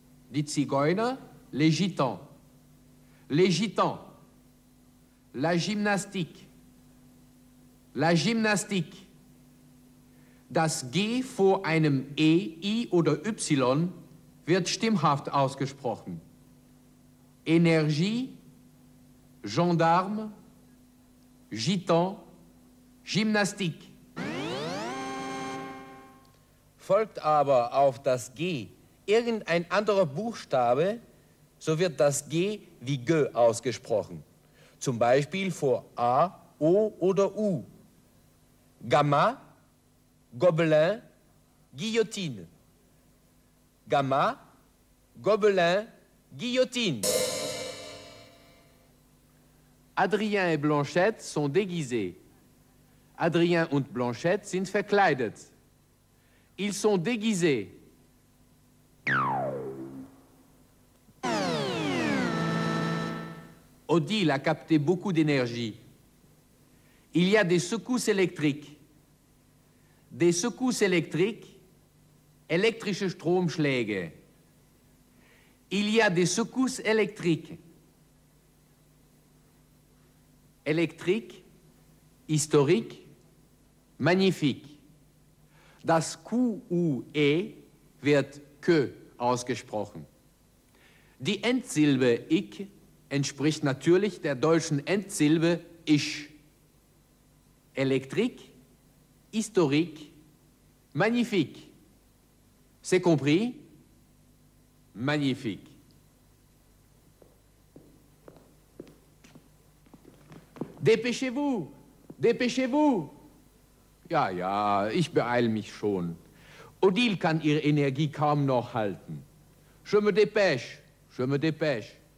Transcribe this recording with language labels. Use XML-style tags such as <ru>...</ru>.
<de>Die Zigeuner,</de> <fr>les Gitans. Les Gitans. La gymnastique. La gymnastique.</fr> <de>Das G vor einem E, I oder Y wird stimmhaft ausgesprochen.</de> <fr>Énergie, gendarme, Gitans, gymnastique.</fr> <de>Folgt aber auf das G irgendein anderer Buchstabe, so wird das G wie G ausgesprochen. Zum Beispiel vor A, O oder U.</de> <fr>Gamma, Gobelin, Guillotine. Gamma, Gobelin, Guillotine. Adrien et Blanchette sont déguisés.</fr> <de>Adrien und Blanchette sind verkleidet.</de> <fr>Ils sont déguisés. Odile a capté beaucoup d'énergie. Il y a des secousses électriques. Des secousses électriques,</fr> <de>électrische Stromschläge.</de> <fr>Il y a des secousses électriques. Électrique, historique, magnifique.</fr> <de>Das Q-U-E wird que ausgesprochen. Die Endsilbe ich entspricht natürlich der deutschen Endsilbe ich.</de> <fr>Elektrik, historique, magnifique. C'est compris? Magnifique. Dépêchez-vous! Dépêchez-vous!</fr> <de>Ja, ja, ich beeile mich schon. Odile kann ihre Energie kaum noch halten.</de> <fr>Je me dépêche, je me dépêche.</fr>